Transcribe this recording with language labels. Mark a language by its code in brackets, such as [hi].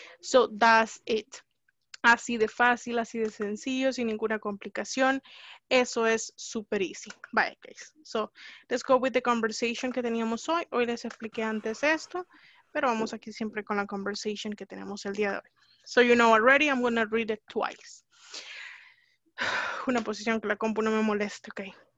[en] So, that's it. [es] Así de fácil, así de sencillo, sin ninguna complicación. Eso es [en] super easy. Bye, guys. So, let's go with the conversation [es] que teníamos hoy. Hoy les expliqué antes esto, pero vamos aquí siempre con la conversation que tenemos el día de hoy. [en] So, you know already, I'm going to read it twice. [es] Una posición que la compu no me moleste, okay.